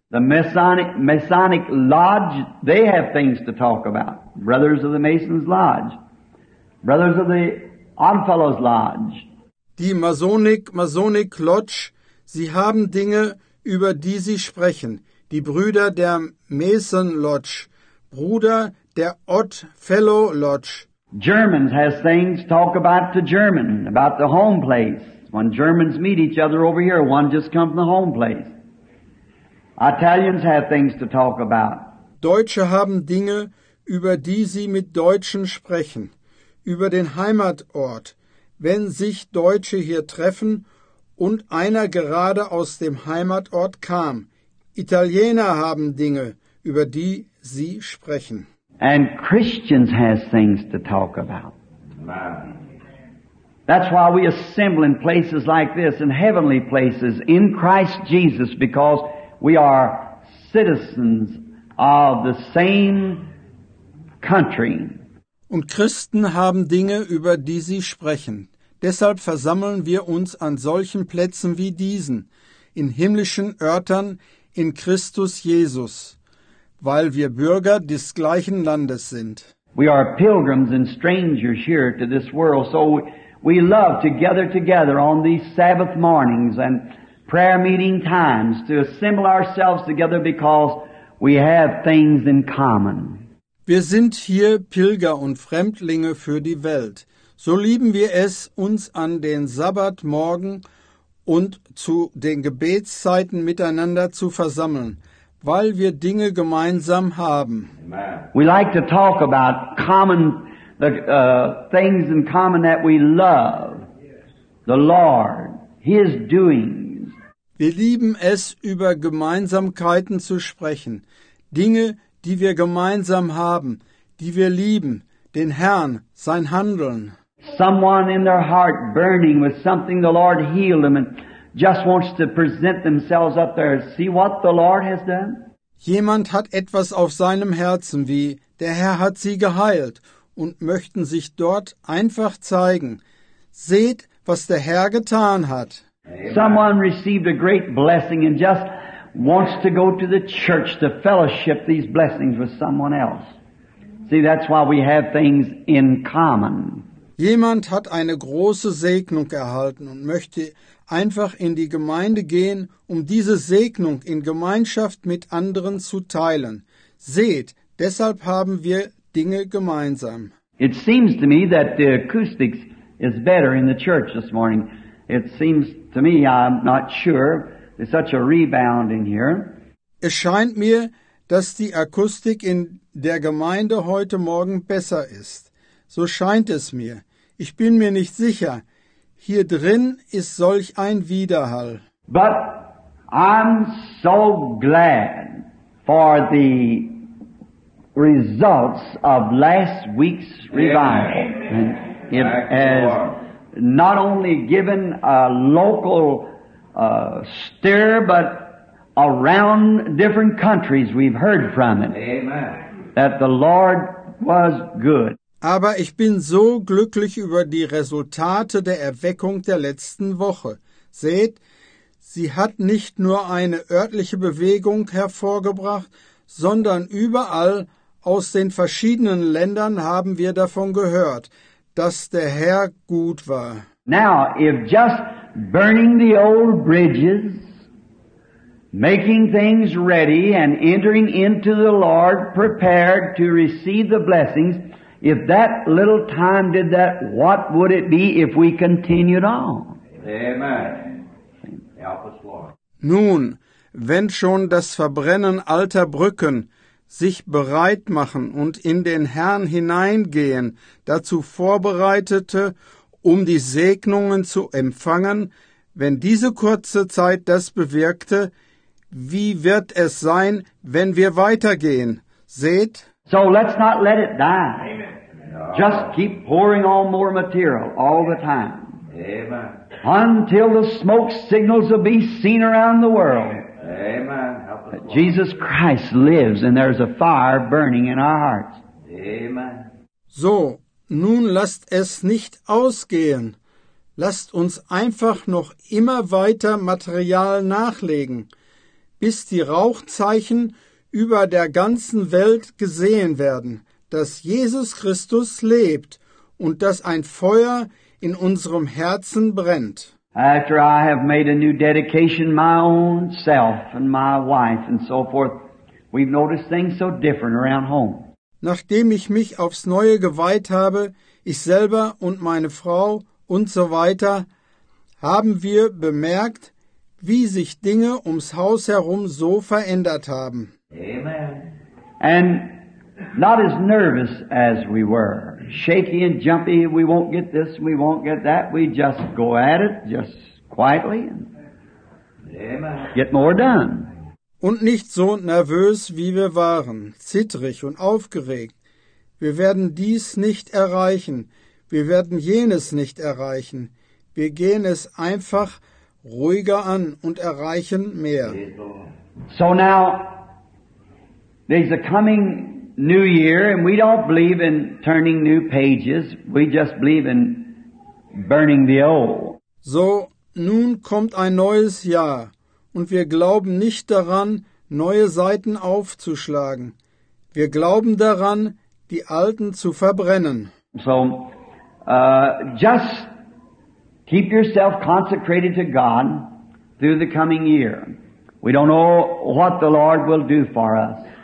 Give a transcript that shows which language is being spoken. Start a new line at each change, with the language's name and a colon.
English: The Masonic Lodge, they have things to talk about. Brothers of the Masons Lodge. Brothers of the Oddfellows Lodge.
German: Die Masonic Lodge, sie haben Dinge, über die sie sprechen. Die Brüder der Mason Lodge, Bruder der Odd Fellow Lodge.
English: Germans has things to talk about to German, about the home place. When Germans meet each other over here, one just comes from the home place. Italians have things to talk about.
German: Deutsche haben Dinge, über die sie mit Deutschen sprechen, über den Heimatort. Wenn sich Deutsche hier treffen und einer gerade aus dem Heimatort kam, Italiener haben Dinge, über die sie sprechen.
English: And Christians has things to talk about. That's why we assemble in places like this, in heavenly places, in Christ Jesus, because we are citizens of the same country.
German: Und Christen haben Dinge, über die sie sprechen. Deshalb versammeln wir uns an solchen Plätzen wie diesen, in himmlischen Örtern, in Christus Jesus, weil wir Bürger des gleichen Landes sind.
English: We are pilgrims and strangers here to this world, so we love to gather together on these Sabbath mornings and prayer meeting times to assemble ourselves together because we have things in common.
German: Wir sind hier Pilger und Fremdlinge für die Welt. So lieben wir es, uns an den Sabbatmorgen und zu den Gebetszeiten miteinander zu versammeln, weil wir Dinge gemeinsam haben.
English: We like to talk about common things in common that we love. The Lord, His doings.
German: Wir lieben es, über Gemeinsamkeiten zu sprechen, Dinge, die wir gemeinsam haben, die wir lieben, den Herrn, sein Handeln.
English: Someone in their heart burning with something the Lord healed them and just wants to present themselves up there and see what the Lord has done.
German: Jemand hat etwas auf seinem Herzen wie, der Herr hat sie geheilt und möchten sich dort einfach zeigen. Seht, was der Herr getan hat.
English: Someone received a great blessing and just wants to go to the church to fellowship these blessings with someone else. See, that's why we have things in common.
German: Jemand hat eine große Segnung erhalten und möchte einfach in die Gemeinde gehen, um diese Segnung in Gemeinschaft mit anderen zu teilen. Seht, deshalb haben wir Dinge gemeinsam.
English: It seems to me that the acoustics is better in the church this morning. It seems to me, I'm not sure, there's such a rebound in here.
German: Es scheint mir, dass die Akustik in der Gemeinde heute Morgen besser ist. So scheint es mir. Ich bin mir nicht sicher. Hier drin ist solch ein Widerhall.
English: But I'm so glad for the results of last week's revival. And it has not only given a local stir, but around different countries we've heard from it. Amen. That the Lord was good.
German: Aber ich bin so glücklich über die Resultate der Erweckung der letzten Woche. Seht, sie hat nicht nur eine örtliche Bewegung hervorgebracht, sondern überall aus den verschiedenen Ländern haben wir davon gehört, dass der Herr gut war.
English: Now, if just burning the old bridges, making things ready and entering into the Lord prepared to receive the blessings, if that little time did that, what would it be if we continued on? Amen. Help us, Lord.
German: Nun, wenn schon das Verbrennen alter Brücken, sich bereit machen und in den Herrn hineingehen, dazu vorbereitete, um die Segnungen zu empfangen, wenn diese kurze Zeit das bewirkte, wie wird es sein, wenn wir weitergehen? Seht?
English: So let's not let it die. Amen. Just keep pouring on more material all the time. Amen. Until the smoke signals will be seen around the world. Amen. That Jesus Christ lives and there's a fire burning in our hearts. Amen.
German: So, nun lasst es nicht ausgehen. Lasst uns einfach noch immer weiter Material nachlegen, bis die Rauchzeichen über der ganzen Welt gesehen werden, dass Jesus Christus lebt und dass ein Feuer in unserem Herzen brennt.
English: After I have made a new dedication, my own self and my wife and so forth, we've noticed things so different around home.
German: Nachdem ich mich aufs Neue geweiht habe, ich selber und meine Frau und so weiter, haben wir bemerkt, wie sich Dinge ums Haus herum so verändert haben.
English: Amen. And not as nervous as we were. Shaky and jumpy, we won't get this, we won't get that. We just go at it, just quietly and get more done.
German: Und nicht so nervös, wie wir waren, zittrig und aufgeregt. Wir werden dies nicht erreichen. Wir werden jenes nicht erreichen. Wir gehen es einfach ruhiger an und erreichen mehr.
English: So now, there's a coming new year, and we don't believe in turning new pages. We just believe in burning the old.
German: So, nun kommt ein neues Jahr, und wir glauben nicht daran, neue Seiten aufzuschlagen. Wir glauben daran, die alten zu verbrennen.
English: So, just keep yourself consecrated to God through the coming year. We don't know what the Lord will do for us.